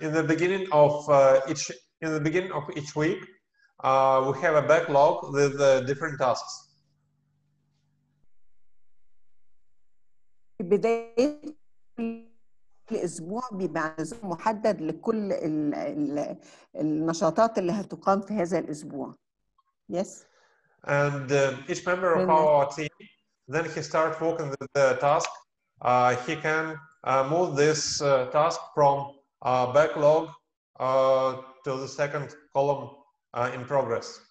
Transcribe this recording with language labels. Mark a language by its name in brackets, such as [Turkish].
[English] In the beginning of each week, we have a backlog with the different tasks. [Arabic] في بداية الأسبوع بيبقى نظام محدد لكل النشاطات اللي هتقام في هذا الأسبوع. [English] Yes. And each member of our team, then he starts working with the task. He can move this task from backlog to the second column in progress.